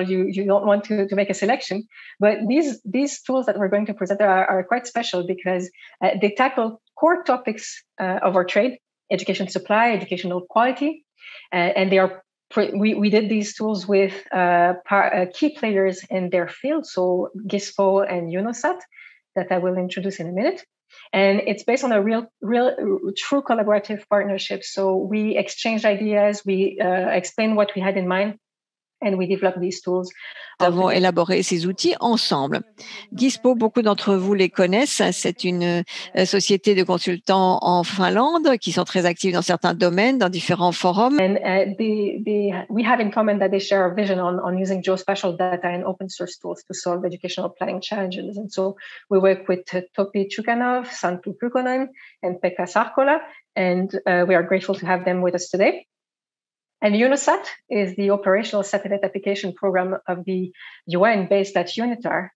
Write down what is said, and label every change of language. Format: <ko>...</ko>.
<en>You don't want to make a selection. But these tools that we're going to present are quite special because they tackle core topics of our trade, education supply, educational quality, and they are We did these tools with key players in their field, so GISPO and UNOSAT, that I will introduce in a minute. And it's based on a real true collaborative partnership. So we exchanged ideas, we explained what we had in mind, and we developed these tools.</en> <fr>Nous avons élaboré ces outils ensemble. GISPO, beaucoup d'entre vous les connaissent. C'est une société de consultants en Finlande qui sont très actives dans certains domaines, dans différents forums.</fr> <en>And we have in common that they share a vision on using geospatial data and open source tools to solve educational planning challenges. And so we work with Topi Chukanov, Santtu Pukonen, and Pekka Sarkola. And we are grateful to have them with us today. And UNOSAT is the operational satellite application program of the UN based at UNITAR.</en>